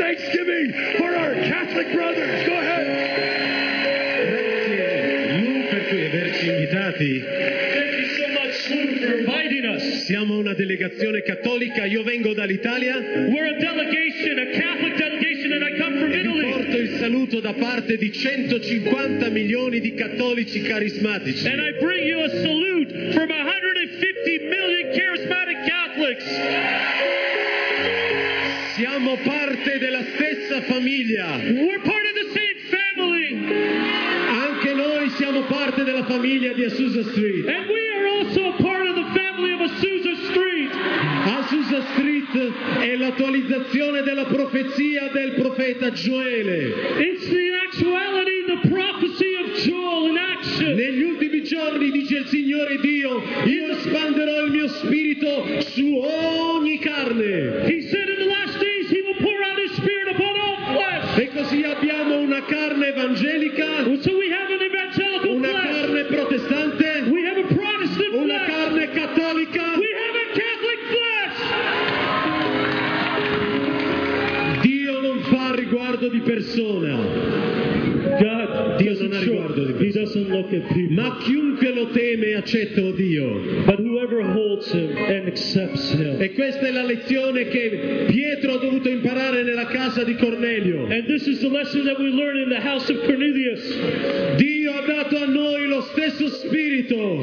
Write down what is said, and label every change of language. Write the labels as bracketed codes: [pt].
[en] Catholic brothers. Go ahead. Thank you so much, Luke, for inviting us. [it] Siamo una delegazione cattolica. Io vengo dall'Italia. [en] We're a delegation, a Catholic delegation, and I come from Italy. [it] E porto il saluto da parte di 150 milioni di cattolici carismatici. [en] And I bring you a salute from 150 million charismatic Catholics. [it] Siamo parte della stessa famiglia. [en] We're part of the same family. [it] Anche noi siamo parte della famiglia di Azusa Street. [en] And we are also a part of the family of Azusa Street. [it] Azusa Street è l'attualizzazione della profezia del profeta Gioele. [en] It's the actuality, the prophecy of Joel in action. [it] Negli ultimi giorni, dice il Signore Dio, io espanderò il mio spirito su ogni carne. [en] He said in the last days he will pour out his spirit upon all flesh. [it] E così abbiamo una carne evangelica. [en] So we have an evangelical flesh. [it] Una carne protestante. [en] We have a Protestant flesh. [it] Una carne cattolica. [en] We have a Catholic flesh. [it] Dio non fa riguardo di persona. [en] He doesn't look at people. [it] Ma chiunque lo teme accetta Dio. [en] But whoever holds him and accepts him. [it] E questa è la lezione che Pietro ha dovuto imparare nella casa di Cornelio. [en] And this is the lesson that we learn in the house of Cornelius. [it] Dio ha dato a noi lo stesso spirito.